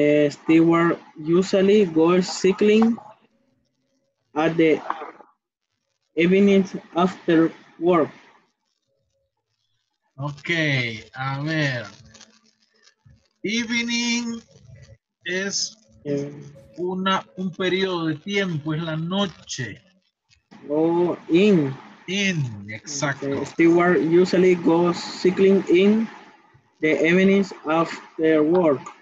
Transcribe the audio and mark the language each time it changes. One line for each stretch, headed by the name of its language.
English: Stewart usually goes cycling at the evening after work.
Spanish: Okay, a ver. Evening es un periodo de tiempo, es la noche.
English: Oh, in. In, exactly. Stewart usually goes cycling in the evenings after work.